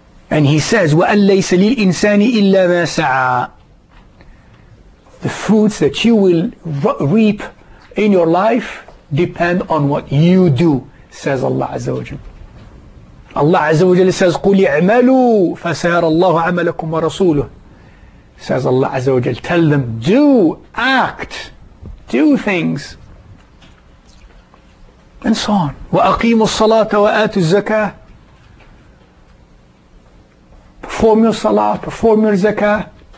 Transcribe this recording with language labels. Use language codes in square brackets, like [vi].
[en] And He says, [ar] وَأَنْ لَيْسَ لِلْإِنسَانِ إِلَّا مَا سَعَى. [en] The fruits that you will reap in your life depend on what you do, says Allah Azza wa Jalla. Allah Azza wa Jalla says, [ar] قُلْ اعْمَلُوا فَسَيَرَى اللَّهُ عَمَلَكُمْ وَرَسُولُهُ. [en] Says Allah Azza wa Jalla, tell them, do, act, do things. And so on. [ar] وَأَقِيمُوا الصَّلَاةَ وَآتُوا الزَّكَاةَ. [en] Perform your salah, perform your zakah.